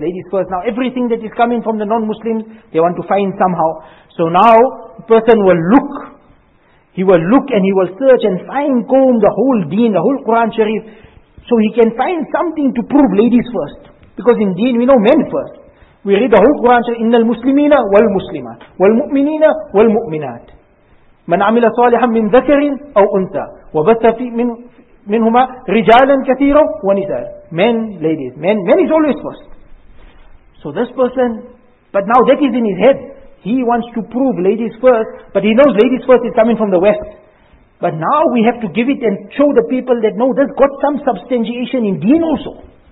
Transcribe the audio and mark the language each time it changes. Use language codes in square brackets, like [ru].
[en] Now everything that is coming from the non-Muslims, they want to find somehow. So now, the person will look. He will look and he will search and fine comb the whole deen, the whole Quran Sharif, so he can find something to prove ladies first. Because in deen, we know men first. We read the whole Quran Sharif, [ar] إِنَّ الْمُسْلِمِينَ وَالْمُسْلِمَاتِ وَالْمُؤْمِنِينَ وَالْمُؤْمِنَاتِ مَنْ عَمِلَ صَالِحًا مِنْ ذَكَرٍ أَوْ أُنْثَى وَبَثَّ فِي مِنْ مِنْهُمَا رِجَالًا كَثِيرًا وَنِسَاءً. [en] Men, ladies, men is always first. So this person, but now that is in his head. He wants to prove ladies first, but he knows ladies first is coming from the West. But now we have to give it and show the people that no, that's got some substantiation in deen also.